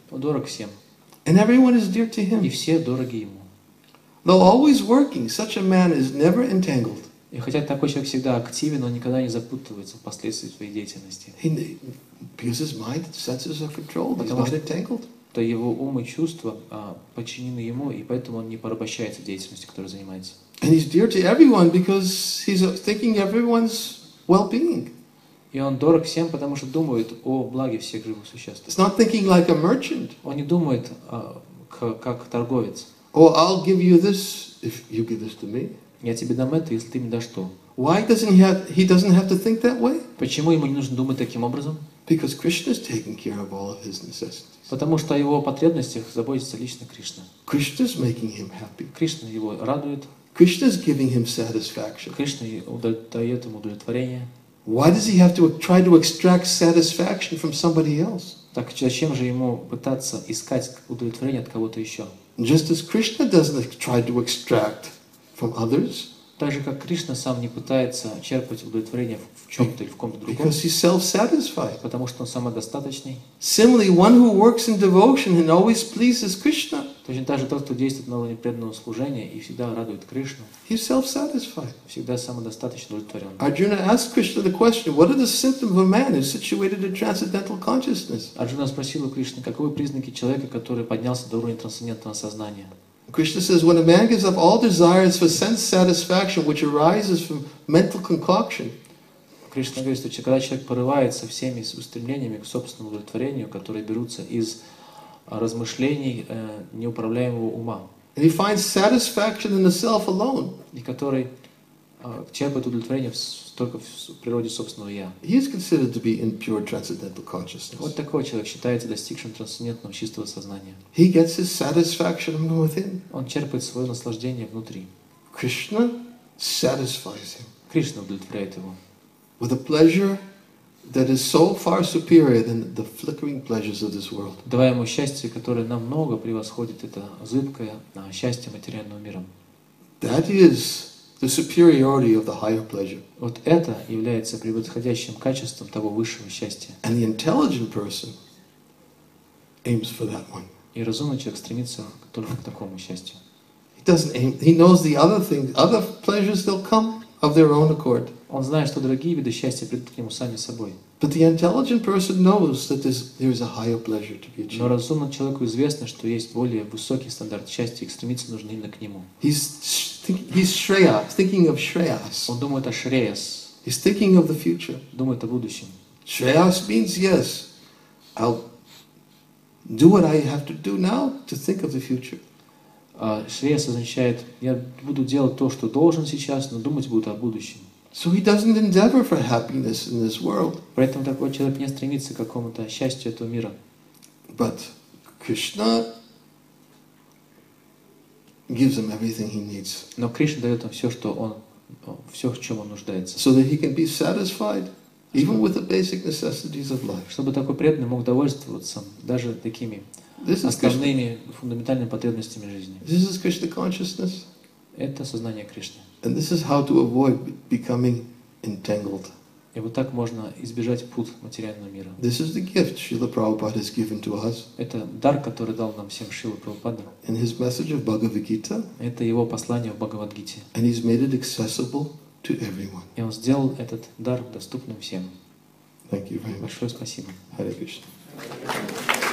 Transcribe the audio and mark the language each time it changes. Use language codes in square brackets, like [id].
[ru] Он дорог всем. [en] And everyone is dear to him. [ru] И все дороги ему. [en] Though always working, such a man is never entangled. [ru] И хотя такой человек всегда активен, он никогда не запутывается в последствиях своей деятельности. [en] Because his mind and senses are controlled, he's not entangled. [ru] То его ум и чувства подчинены ему, и поэтому он не порабощается деятельностью, которой занимается. [en] And he's dear to everyone because he's thinking everyone's well-being. [ru] И он дорог всем, потому что думает о благе всех живых существ. [en] He's not thinking like a merchant. [ru] Он не думает как торговец. [en] Oh, I'll give you this if you give this to me. [ru] Я тебе дам это, если ты мне дашь то. [en] Why doesn't he doesn't have to think that way? [ru] Почему ему не нужно думать таким образом? [en] Because Krishna is taking care of all of his necessities. [ru] Потому что о его потребностях заботится лично Кришна. [en] Krishna is making him happy. [ru] Кришна его радует. [en] Krishna is giving him satisfaction. [ru] Кришна дает ему удовлетворение. [en] Why does he have to try to extract satisfaction from somebody else? [ru] Так зачем же ему пытаться искать удовлетворение от кого-то еще? [en] Just as Krishna doesn't try to extract from others. [ru] Так же как Кришна сам не пытается черпать удовлетворение в чем-то или в ком-то другом. [en] Because he's self-satisfied. [ru] Потому что он самодостаточный. [en] Similarly, one who works in devotion and always pleases Krishna. [ru] Точно так же тот, кто действует на уровне преданного служения и всегда радует Кришну. [en] He's self-satisfied. [ru] Всегда самодостаточно удовлетворен. [en] Arjuna asked Krishna the question, what are the symptoms of a man who's situated in transcendental consciousness? [ru] Арджуна спросил у Кришны, каковы признаки человека, который поднялся до уровня трансцендентного сознания? [en] Krishna says, when a man gives up all desires for sense satisfaction, which arises from mental concoction, [ru] Кришна говорит, что когда человек порывается всеми устремлениями к собственному удовлетворению, которые берутся из размышлений неуправляемого ума, [en] and he finds satisfaction in the self alone, [ru] и который черпает удовлетворение только в природе собственного «я», [en] he is considered to be in pure transcendental consciousness. [ru] Вот такой человек считается достигшим трансцендентного чистого сознания. [en] He gets his satisfaction from within. [ru] Он черпает свое наслаждение внутри. [en] Krishna satisfies him. [ru] Кришна удовлетворяет его. [en] With a pleasure that is so far superior than the flickering pleasures of this world. [ru] Давая ему счастье, которое намного превосходит это зыбкое счастье материального мира. [en] That is the superiority of the higher pleasure. [ru] Вот это является превосходящим качеством того высшего счастья. [en] And the intelligent person aims for that one. [ru] И разумный человек стремится только к такому счастью. [en] He doesn't aim. He knows the other things, other pleasures, they'll come of their own accord. [ru] Он знает, что другие виды счастья придут к нему сами собой. [en] But the intelligent person knows that there is a higher pleasure to be achieved. [ru] Но разумному человеку известно, что есть более высокий стандарт счастья, и стремиться нужно именно к нему. [en] He's thinking of Shreyas. [ru] Он думает о Шреяс. [en] He's thinking of the future. [ru] Думает о будущем. [en] Shreyas means yes, I'll do what I have to do now to think of the future. [ru] Шреяс означает, я буду делать то, что должен сейчас, но думать буду о будущем. [en] So he doesn't endeavor for happiness in this world. [ru] Поэтому такой человек не стремится к какому-то счастью этого мира. [en] But Krishna gives him everything he needs. [ru] Но Кришна дает ему все, что он, все, в чем он нуждается. [en] So that he can be satisfied even with the basic necessities of life. [ru] Чтобы такой преданный мог довольствоваться даже такими основными фундаментальными потребностями жизни. [en] This is Krishna consciousness. [ru] Это сознание Кришны. [en] And this is how to avoid becoming entangled. [ru] И вот так можно избежать пут материального мира. [en] This is the gift Srila Prabhupada has given to us. [ru] Это дар, который дал нам всем Шрила Прабхупада. [en] And his message of Bhagavad Gita. [ru] Это его послание в Бхагавад-гите. [en] And he's made it accessible to everyone. [ru] И он сделал этот дар доступным всем. [en] Thank you very much. [ru] Большое спасибо. [sa] Hare Krishna.